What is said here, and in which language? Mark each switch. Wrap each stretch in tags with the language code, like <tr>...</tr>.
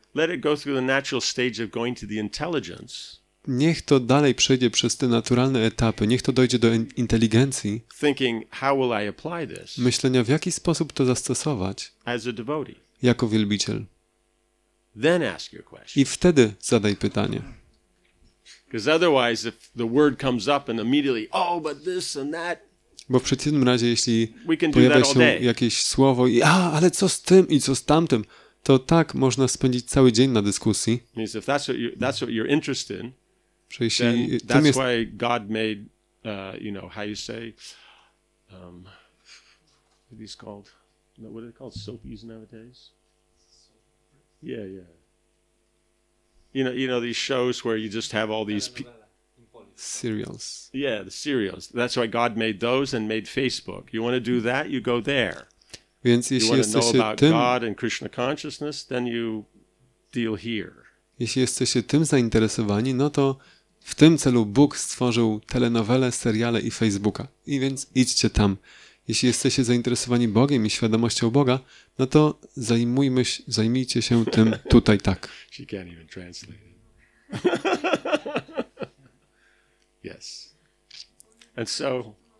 <en>let it go through the natural stage of going to the intelligence.</en> <pl>Niech to dalej przejdzie przez te naturalne etapy, niech to dojdzie do inteligencji,</pl> <en>thinking, how will I apply this?</en> <pl>Myślenia, w jaki sposób to zastosować</pl> <en>as a devotee.</en> <pl>Jako wielbiciel.</pl> <en>Then ask your question.</en> <pl>I wtedy zadaj pytanie.</pl> <en>Because otherwise, if the word comes up and immediately, oh, but this and that.</en> <pl>Bo w przeciwnym razie, jeśli pojawia się jakieś słowo i a, ale co z tym i co z tamtym, to tak można spędzić cały dzień na dyskusji.</pl> <en>Means if that's what you, that's what you're interested in, then that's</en> <pl>jest</pl> <en>why God made, you know, how you say, what are these called? What are they called? Soapies nowadays? Yeah, yeah. You know these shows where you just have all these serials. Yeah, the serials. That's why God made those and made Facebook. You want to do that, you go there.</en> <pl>Więc jeśli</pl> <en>you want to know about</en> <pl>tym,</pl> <en>God and Krishna consciousness, then you deal here.</en> <pl>Jeśli jesteście tym zainteresowani, no to w tym celu Bóg stworzył telenowele, seriale i Facebooka. I więc idźcie tam. Jeśli jesteście zainteresowani Bogiem i świadomością Boga, no to zajmijcie się tym tutaj tak.</pl> <en>She can't even translate it. Yes. And so,</en>